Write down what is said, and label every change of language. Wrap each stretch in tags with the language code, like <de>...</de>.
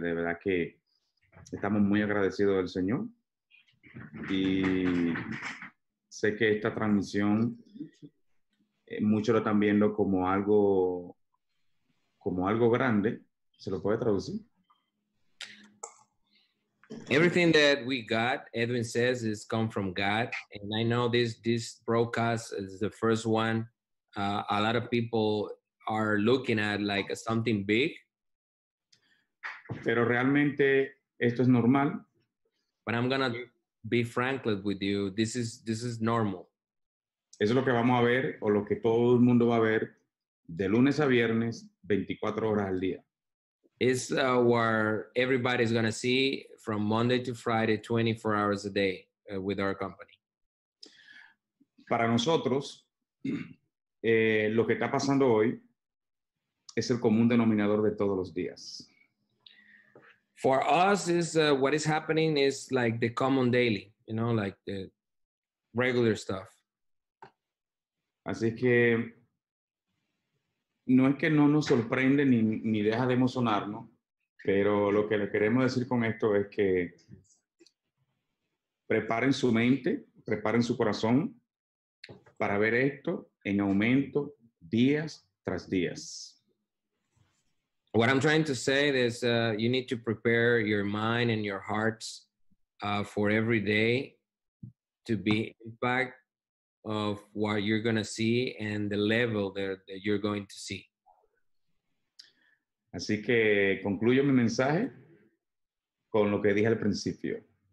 <es>De verdad que estamos muy agradecidos del Señor. Y sé que esta transmisión, muchos lo están viendo como algo grande. ¿Se lo puede traducir?</es> <en>Everything that we got, Edwin says, is come from God. And I know this broadcast is the first one. A lot of people are looking at like something big.</en> <es>Pero realmente esto es normal.</es> <en>But I'm going to be frank with you. This is normal.</en> <es>Eso es lo que vamos a ver, o lo que todo el mundo va a ver, de lunes a viernes, 24 horas al día.</es> <en>It's where everybody's going to see from Monday to Friday, 24 hours a day with our company.</en> <es>Para nosotros, lo que está pasando hoy es el común denominador de todos los días.</es> <en>For us, is what is happening is like the common daily, you know, like the regular stuff.</en> <es>Así que no es que no nos sorprende ni, ni deja de emocionarnos, pero lo que le queremos decir con esto es que preparen su mente, preparen su corazón para ver esto en aumento días tras días.</es> <en>What I'm trying to say is you need to prepare your mind and your hearts for every day to be impact of what you're going to see and the level that, that you're going to see.</en> <es>Así que concluyo mi mensaje con lo que dije al principio.</es>